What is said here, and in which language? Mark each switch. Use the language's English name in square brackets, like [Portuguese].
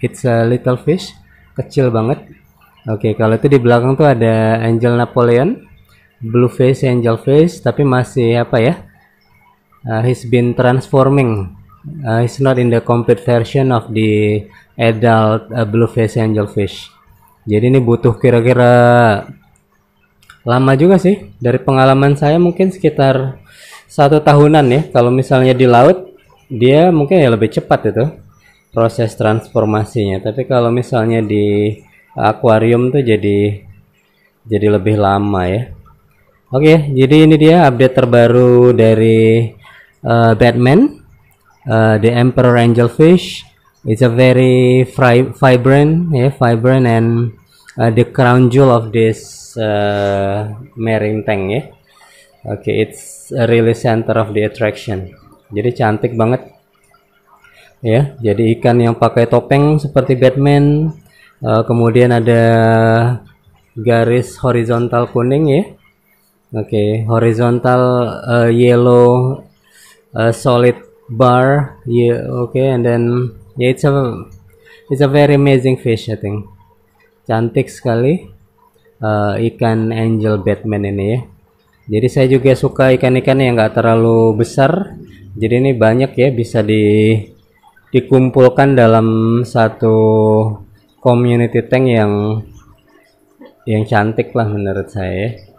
[English] It's a little fish, [Indonesian] kecil banget. Oke, okay, kalau itu di belakang tuh ada angel Napoleon, blue face angelfish, tapi masih apa ya? [English] He's been transforming. He's not in the complete version of the adult blue face angelfish. [Indonesian] Jadi ini butuh kira-kira lama juga sih, dari pengalaman saya mungkin sekitar 1 tahunan ya. Kalau misalnya di laut dia mungkin ya lebih cepat itu proses transformasinya, tapi kalau misalnya di akuarium tuh jadi lebih lama ya. Oke, jadi ini dia update terbaru dari Batman, the Emperor Angelfish. [English] It's a very vibrant ya, vibrant, and the crown jewel of this marine tank ya. Okay, it's a really center of the attraction. [Indonesian] Jadi cantik banget ya. Jadi ikan yang pakai topeng seperti Batman, kemudian ada garis horizontal kuning ya. Oke, [English] horizontal yellow solid bar. Yeah, oke, and then yeah, it's a very amazing fish, I think. [Indonesian] Cantik sekali ikan angel Batman ini ya. Jadi saya juga suka ikan-ikan yang enggak terlalu besar. Jadi ini banyak ya, bisa dikumpulkan dalam satu community tank yang cantik lah menurut saya.